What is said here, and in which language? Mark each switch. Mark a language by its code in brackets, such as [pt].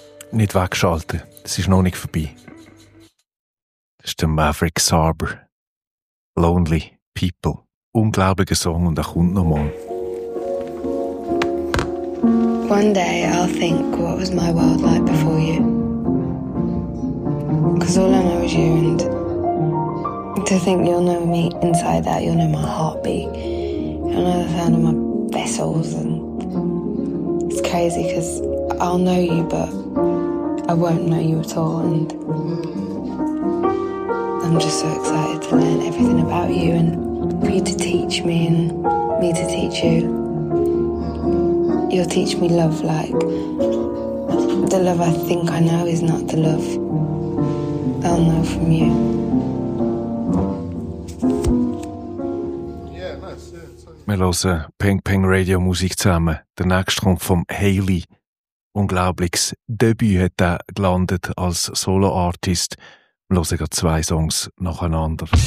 [de] Nicht weggeschalten, es ist noch nicht vorbei. Das ist der Maverick Sarber. Lonely People. Unglaublicher Song und er kommt nochmal. [en] One day I'll think, what was my world like before you? Cause all I know is you, and to think you'll know me inside out, you'll know my heartbeat, you'll know the sound of my vessels, and it's crazy cause I'll know you but I won't know you at all, and I'm just so excited to learn everything about you and for you to teach me and me to teach you. You'll teach me love, like the love I think I know is not the love I'll know from you. [de] Wir hören Peng Peng Radio Musik zusammen. Der nächste kommt vom Hayley. Unglaubliches Debüt hat er gelandet als Solo-Artist. Wir hören gerade zwei Songs nacheinander.